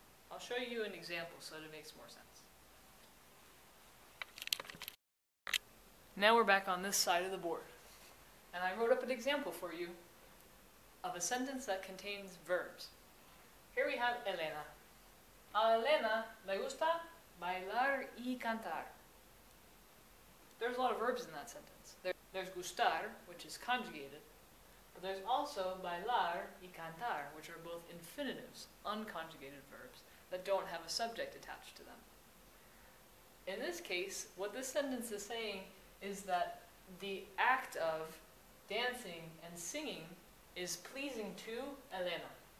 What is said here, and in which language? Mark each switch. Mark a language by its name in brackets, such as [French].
[English] I'll show you an example so that it makes more sense. Now we're back on this side of the board. And I wrote up an example for you of a sentence that contains verbs. Here we have Elena. [Spanish] A Elena le gusta bailar y cantar. [English] There's a lot of verbs in that sentence. There's gustar, which is conjugated, but there's also bailar y cantar, which are both infinitives, unconjugated verbs, that don't have a subject attached to them. In this case, what this sentence is saying is that the act of dancing and singing is pleasing to Elena.